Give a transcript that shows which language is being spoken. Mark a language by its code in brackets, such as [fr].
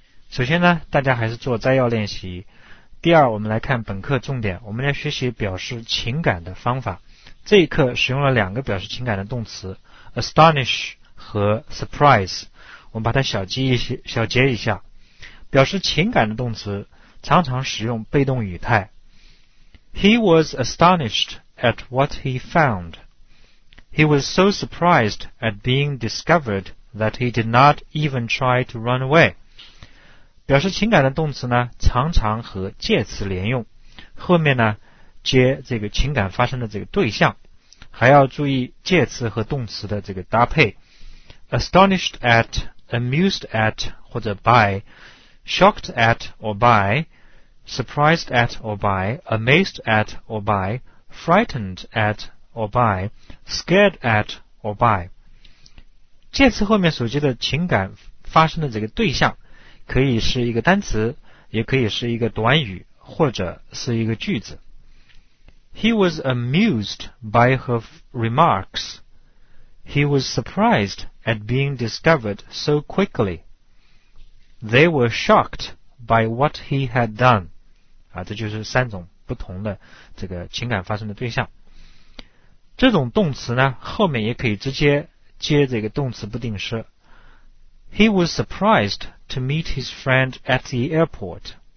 [zh] 首先呢，大家还是做摘要练习。第二，我们来看本课重点，我们来学习表示情感的方法。这一课使用了两个表示情感的动词 Astonish 和 Surprise. 我们把它小结一下。表示情感的动词常常使用被动语态。 [en] He was astonished at what he found. He was so surprised at being discovered that he did not even try to run away. [zh] 表示情感的动词呢，常常和介词连用，后面呢接这个情感发生的这个对象，还要注意介词和动词的这个搭配。 [en] Astonished at, amused at, [zh] 或者 [en] by, shocked at or by,Surprised at or by, amazed at or by, frightened at or by, scared at or by. [zh] 介词后面所接的情感发生的这个对象可以是一个单词，也可以是一个短语，或者是一个句子。 [en] He was amused by her remarks. He was surprised at being discovered so quickly. They were shocked by what he had done. [zh] 啊，这就是三种不同的这个情感发生的对象。这种动词呢，后面也可以直接接这个动词不定式。 [en] He was surprised to meet his friend at the airport.